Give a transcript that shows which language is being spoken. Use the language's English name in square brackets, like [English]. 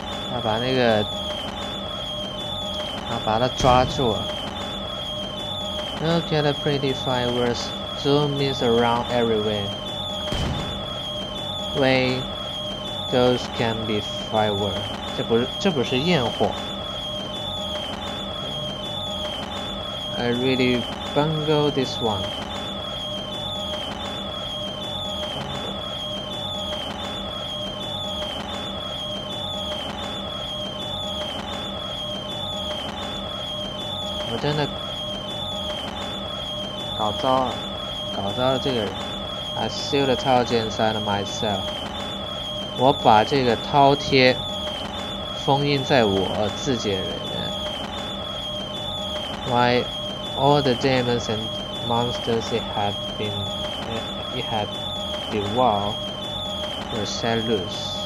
[Chinese] 他把那个，他把他抓住了。 [English] Okay, the pretty fireworks zoom is around everywhere. Wait, those can be fireworks. [Chinese] 这不是焰火。 [English] I really bungled this one. I [Chinese] 真的搞糟了这个人。 [English] I sealed the Tautier inside myself. [Chinese] 我把这个饕餮封印在我自己里面。 [English] My All the demons and monsters it had devoured were set loose.